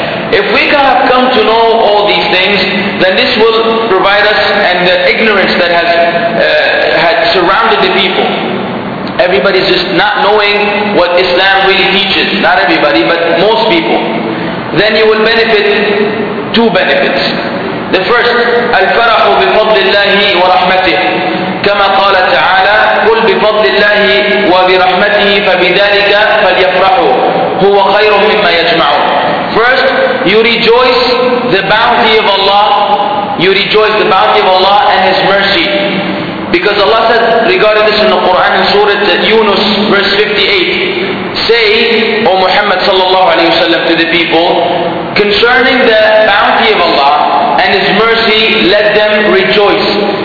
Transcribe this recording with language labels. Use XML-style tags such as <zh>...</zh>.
<en>If we have come to know all these things, then this will provide us, and the ignorance that has had surrounded the people. Everybody's just not knowing what Islam really teaches. Not everybody, but most people. Then you will benefit two benefits. The first,</en> <ar>الفرح بفضل الله ورحمته. كما قال تعالى قل بفضل الله وبرحمته فبذلك فليفرحوا هو خير مما يجمعون.</ar> <en>First, you rejoice the bounty of Allah. You rejoice the bounty of Allah and His mercy. Because Allah said regarding this in the Quran in Surah Yunus verse 58, say, O Muhammad sallallahu alayhi wasallam, to the people, concerning the bounty of Allah and His mercy, let them rejoice.</en>